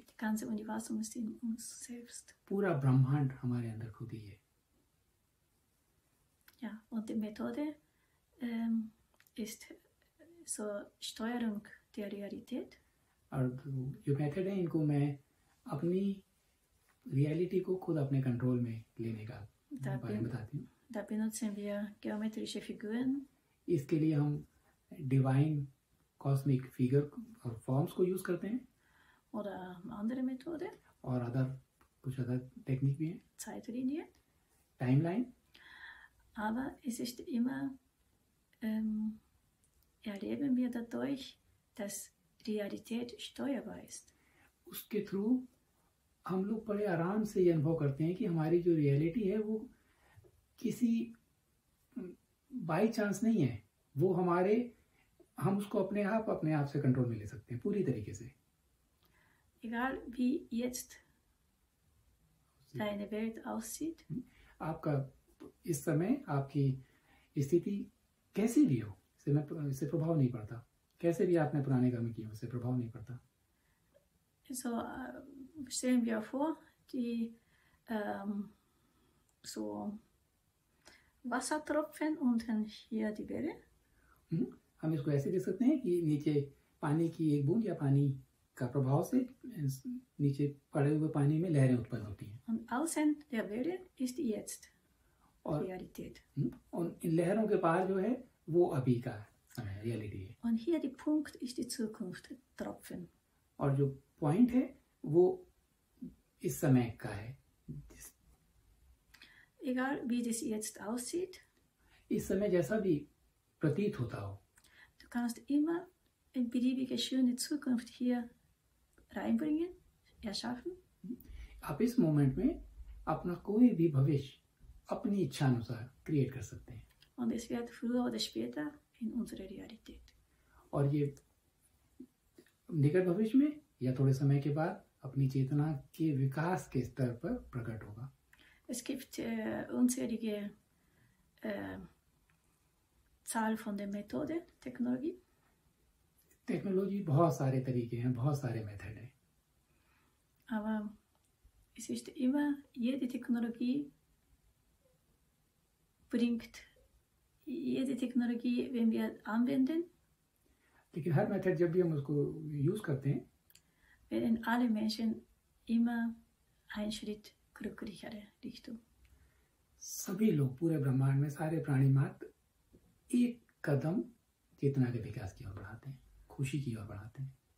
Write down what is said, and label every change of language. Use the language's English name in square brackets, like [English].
[German] Das ganze Universum ist in uns selbst. [Hindi] पूरा ब्रह्मांड हमारे अंदर खुद ही है. [German] Ja, und die Methode ist so Steuerung der Realität. [Hindi] और जो मेथड है इनको मैं अपनी रियलिटी को खुद अपने कंट्रोल में लेने का बारे में बताती हूँ. [German] Da benutzen wir geometrische Figuren. [Hindi] इसके लिए हम डिवाइन कॉस्मिक फिगर और फॉर्म्स को यूज करते हैं. [German] Oder andere Methode. [Hindi] और अदर कुछ अदर टेक्निक भी हैं. [German] Zeitlinie. [English] Timeline. [German] Aber es ist immer erleben wir dadurch, dass Realität steuerbar ist. [Hindi] उसके थ्रू हम लोग बड़े आराम से ये अनुभव करते हैं कि हमारी जो रियलिटी है वो किसी बाय चांस नहीं है. वो हमारे हम उसको अपने आप से कंट्रोल में ले सकते हैं पूरी तरीके से. [German] Egal wie jetzt deine Welt aussieht. [Hindi] आपका इस समय आपकी स्थिति कैसी भी हो, इससे प्रभाव नहीं पड़ता. कैसे भी आपने पुराने कर्म किए, उससे प्रभाव नहीं पड़ता. [German] So stellen wir vor, die so Wassertropfen unten hier die Welle. [Hindi] हम इसको ऐसे देख सकते हैं कि नीचे पानी की एक बूंद या पानी का प्रभाव से नीचे पड़े हुए पानी में लहरें उत्पन्न होती हैं. [German] Und außen der Welle ist jetzt Realität. [Hindi] और इन लहरों के पार जो है वो अभी का समय रियलिटी है. [German] Und hier die Punkt ist die Zukunft Tropfen. [Hindi] और जो पॉइंट है वो इस समय का है. [German] Egal wie das jetzt aussieht. [Hindi] इस समय जैसा भी प्रतीत होता हो. [German] Du kannst immer eine beliebige schöne Zukunft hier reinbringen, erschaffen. [Hindi] आप इस मोमेंट में अपना कोई भी भविष्य अपनी इच्छा अनुसार क्रिएट कर सकते हैं. [German] Und es wird früher oder später in unsere Realität. [Hindi] और ये निकट भविष्य में या थोड़े समय के बाद अपनी चेतना के विकास के स्तर पर प्रकट होगा. [German] Es gibt unzählige Zahl von der Methode, Technologie. [Hindi] Technology बहुत सारे तरीके हैं, बहुत सारे मेथड हैं. [German] Aber es ist immer jede Technologie bringt jede Technologie, wenn wir anwenden, [Hindi] लेकिन हर मेथड जब भी हम उसको यूज करते हैं, [German] werden alle Menschen immer einen Schritt glücklicher Richtung. [Hindi] सभी लोग पूरे ब्रह्मांड में सारे प्राणी मात्र एक कदम चेतना के विकास की ओर बढ़ाते हैं, खुशी की ओर बढ़ाते हैं.